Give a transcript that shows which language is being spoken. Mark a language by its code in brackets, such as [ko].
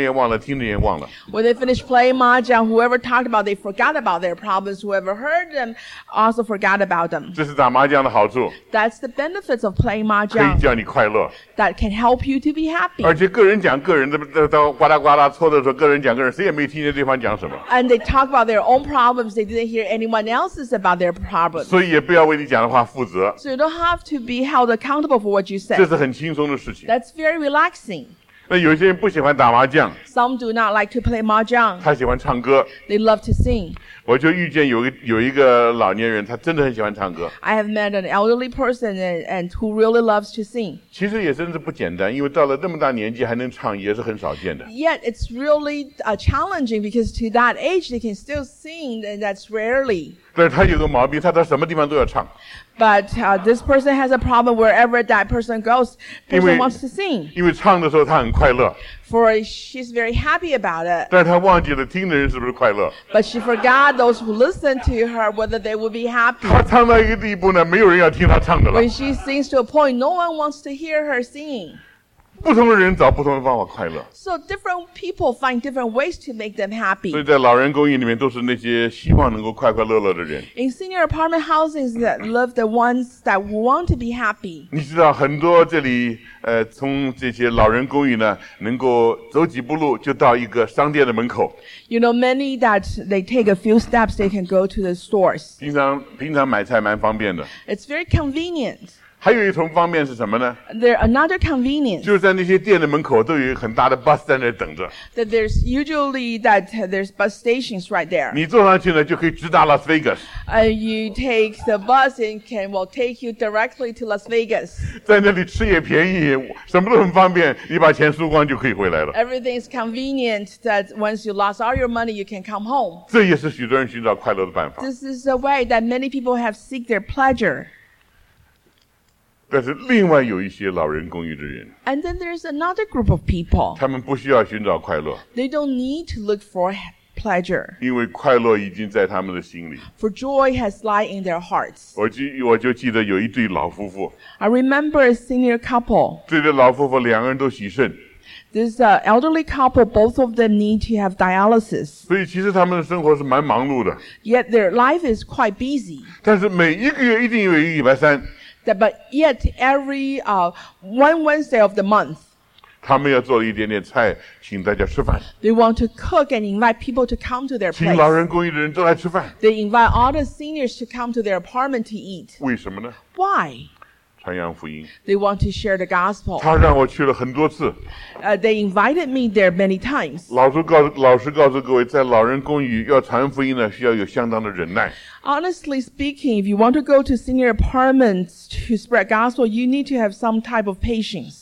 [en] When they finished playing mahjong, whoever talked about, they forgot about their problems. Whoever heard them also forgot about them. [zh] 这是打麻将的好处。 [en] That's the benefits of playing mahjong. [zh] 可以叫你快乐。 [en] That can help you to be happy. [zh] 而且个人讲个人的，都呱啦呱啦搓的时候，个人讲个人，谁也没听见对方讲什么。 [en] And they talk about their own problems. They didn't hear anyone else's about their problems. [zh] 所以也不要为你讲的话负责。 [en] So you don't have to be held accountable for what you said. [zh] 这是很轻松的事情。 [en] That's very relaxing. [zh] 那有些人不喜欢打麻将。 [en] Some do not like to play mahjong. [zh] 他喜欢唱歌。 [en] They love to sing. [zh] 我就遇见有一个老年人，他真的很喜欢唱歌。 [en] I have met an elderly person and who really loves to sing. [zh] 其实也真是不简单，因为到了这么大年纪还能唱，也是很少见的。 [en] Yet it's really challenging because to that age they can still sing and that's rarely. [zh] 但是他有个毛病，他到什么地方都要唱。 [en] But this person has a problem wherever that person goes, person wants to sing. [zh] 因为唱的时候他很快乐。 [en] For she's very happy about it. [zh] 但她忘记了听的人是不是快乐。 [en] But she forgot those who listen to her whether they would be happy. [zh] 她唱到一个地步呢，没有人要听她唱的了。 [en] When she sings to a point, no one wants to hear her singing. [zh] 不同的人找不同的方法快乐。 [en] So different people find different ways to make them happy. [zh] 所以在老人公寓里面都是那些希望能够快快乐乐的人。 [en] In senior apartment houses that love the ones that want to be happy. [zh] 你知道很多这里从这些老人公寓呢能够走几步路就到一个商店的门口。 [en] You know many that they take a few steps they can go to the stores. [zh] 平常买菜蛮方便的。 [en] It's very convenient. [zh] 还有一种方便是什么呢 [en] ？There another convenience. [zh] 就是在那些店的门口都有很大的 bus 在那等着。 [en] That there's usually that there's bus stations right there. [zh] 你坐上去呢就可以直达 Las Vegas. [en] You take the bus and can well take you directly to Las Vegas. [zh] 在那里吃也便宜，什么都很方便，你把钱输光就可以回来了。 [en] Everything is convenient that once you lost all your money, you can come home. [zh] 这也是许多人寻找快乐的办法。 [en] This is a way that many people have seek their pleasure. [zh] 但是另外有一些老人公寓的人 [en] And then there's another group of people. [zh] 他们不需要寻找快乐 [en] They don't need to look for pleasure. [zh] 因为快乐已经在他们的心里 [en] For joy has lie in their hearts. [zh] 我就记得有一对老夫妇 [en] I remember a senior couple. [zh] 这对老夫妇两个人都喜肾 [en] This elderly couple, both of them need to have dialysis. [zh] 所以其实他们的生活是蛮忙碌的 [en] Yet their life is quite busy. [zh] 但是每一个月一定有一个礼拜三 [en] But yet every one Wednesday of the month, [zh] 他们要做一点点菜，请大家吃饭。 [en] They want to cook and invite people to come to their place. [zh] 请老人公寓的人都来吃饭。 [en] They invite all the seniors to come to their apartment to eat. [zh] 为什么呢 [en] ？Why? [zh] 传扬福音。 [en] They want to share the gospel. [zh] 他让我去了很多次。 [en] They invited me there many times. [zh] 老师告诉各位，在老人公寓要传福音呢，需要有相当的忍耐。 [en] Honestly speaking, if you want to go to senior apartments to spread gospel, you need to have some type of patience.